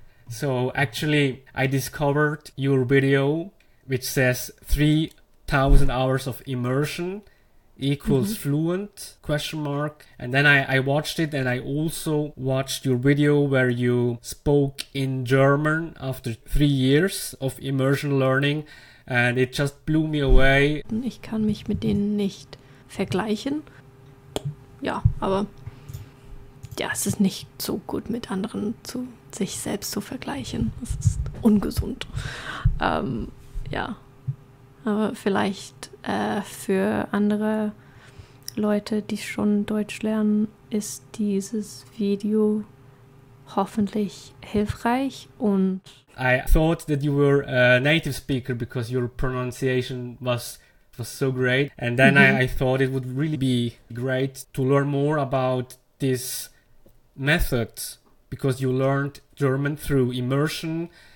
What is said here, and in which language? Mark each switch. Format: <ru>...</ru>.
<en>So actually, I discovered your video, which says 3,000 hours of immersion equals fluent, And then I watched it, and I also watched your video where you spoke in German after 3 years of immersion learning, and it just blew me away.</en> <de>Ich kann mich mit denen nicht vergleichen. Ja, aber ja, es ist nicht so gut mit anderen zu sich selbst zu vergleichen. Das ist ungesund. Ja, aber vielleicht für andere Leute, die schon Deutsch lernen, ist dieses Video hoffentlich hilfreich. Und</de> <en>I thought that you were a native speaker because your pronunciation was so great. And then I thought it would really be great to learn more about this method, because you learned German through immersion.</en>